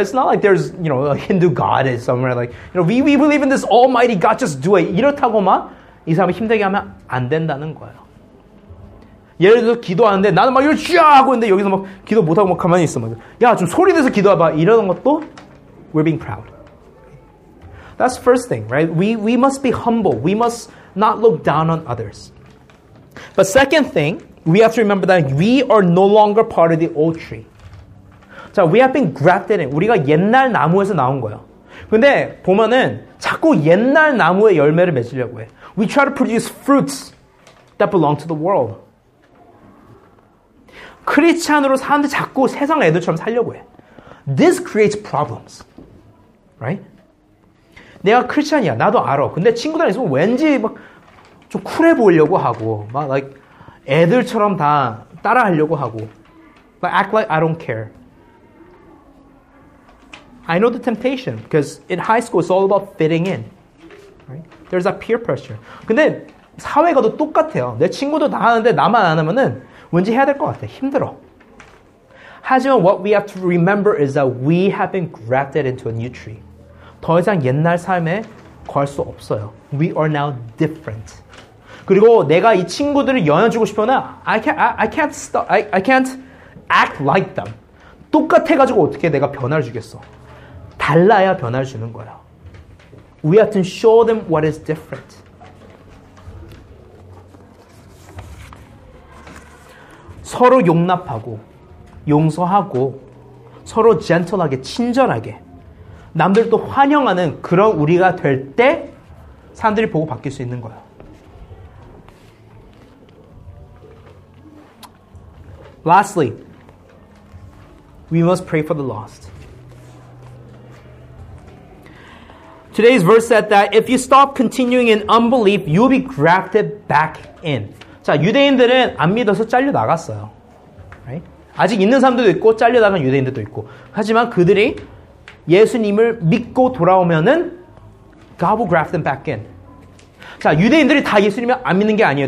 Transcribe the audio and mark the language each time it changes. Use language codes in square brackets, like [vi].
[en] It's not like there's, you know, a Hindu god is somewhere like, you know, we believe in this almighty god, just do it. [ko] 이렇다고만 이 사람을 힘들게 하면 안 된다는 거예요. 예를 들어서 기도하는데 나는 막 이렇게 쥐야 하고 있는데 여기서 막 기도 못하고 막 가만히 있어. 야, 좀 소리 내서 기도해봐. 이러는 것도 [en] we're being proud. That's the first thing, right? We must be humble. We must not look down on others. But second thing, we have to remember that we are no longer part of the old tree. 자, we have been grafted in. [ko] 우리가 옛날 나무에서 나온 거예요. 근데 보면은 자꾸 옛날 나무에 열매를 맺으려고 해. [en] We try to produce fruits that belong to the world. [ko] 크리스찬으로 사는데 자꾸 세상 애들처럼 살려고 해. [en] This creates problems. [ko] Right? 내가 크리스찬이야. 나도 알아. 근데 친구들 있으면 왠지 막 좀 쿨해 보이려고 하고 막 like 애들처럼 다 따라하려고 하고 [en] But act like I don't care. I know the temptation because in high school it's all about fitting in. Right? There's a peer pressure. [ko] 근데 사회가도 똑같아요. 내 친구도 다 하는데 나만 안 하면은 뭔지 해야 될 것 같아. 힘들어. [en] 하지만 what we have to remember is that we have been grafted into a new tree. [ko] 더 이상 옛날 삶에 거할 수 없어요. [en] We are now different. [ko] 그리고 내가 이 친구들을 연연주고 싶으나 [en] I can't act like them. [ko] 똑같아가지고 어떻게 내가 변화를 주겠어. 달라야 변화를 주는 거야. [en] We have to show them what is different. [ko] 서로 용납하고 용서하고 서로 gentle하게 친절하게 남들도 환영하는 그런 우리가 될 때 사람들이 보고 바뀔 수 있는 거야. [en] Lastly, we must pray for the lost. Today's verse said that if you stop continuing in unbelief, you'll be grafted back in. [ko] 자, 유대인들은 안 믿어서 잘려 나갔어요. [en] Right? [ko] 아직 있는 사람들도 있고 잘려 나간 유대인들도 있고. 하지만 그들이 예수님을 믿고 돌아오면은 [en] God will graft them back in. [ko] 자, 유대인들이 다 예수님을 안 믿는 게 아니에요.